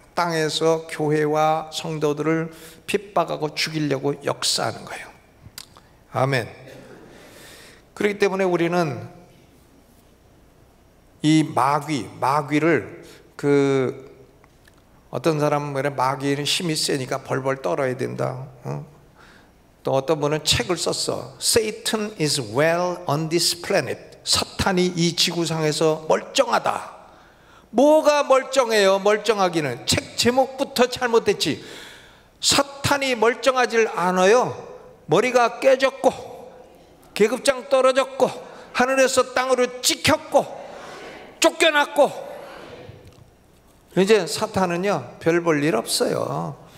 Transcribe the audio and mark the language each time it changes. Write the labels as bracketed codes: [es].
[ko] 땅에서 교회와 성도들을 핍박하고 죽이려고 역사하는 거예요. 아멘. 그렇기 때문에 우리는 이 마귀를 그 어떤 사람은 마귀는 힘이 세니까 벌벌 떨어야 된다. 또 어떤 분은 책을 썼어. [en] Satan is well on this planet. [ko] 사탄이 이 지구상에서 멀쩡하다. 뭐가 멀쩡해요? 멀쩡하기는. 책 제목부터 잘못됐지. 사탄이 멀쩡하질 않아요. 머리가 깨졌고 계급장 떨어졌고 하늘에서 땅으로 찍혔고 쫓겨났고 이제 사탄은요 별 볼 일 없어요.